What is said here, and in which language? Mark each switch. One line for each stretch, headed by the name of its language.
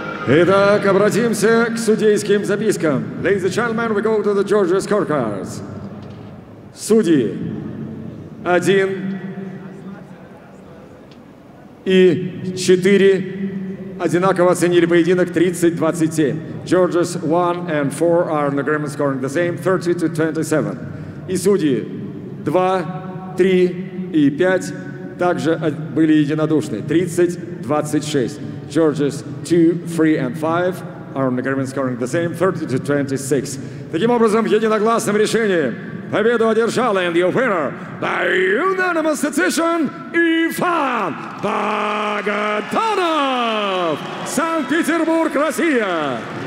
Russian: Итак, обратимся к судейским запискам.
English: Ladies and gentlemen, we go to the judges' scorecards.
Russian: Судьи. 1 и 4 одинаково оценили поединок 30-27.
English: Judges 1 and 4 are in agreement scoring the same 30-27.
Russian: И судьи 2, 3 и 5 также были единодушны 30-26.
English: Judges 2, 3 and 5 are in agreement scoring the same 30-26.
Russian: Таким образом, единогласным решением победу одержала,
English: and the winner by unanimous decision,
Russian: Иван Богданов, Санкт-Петербург, Россия.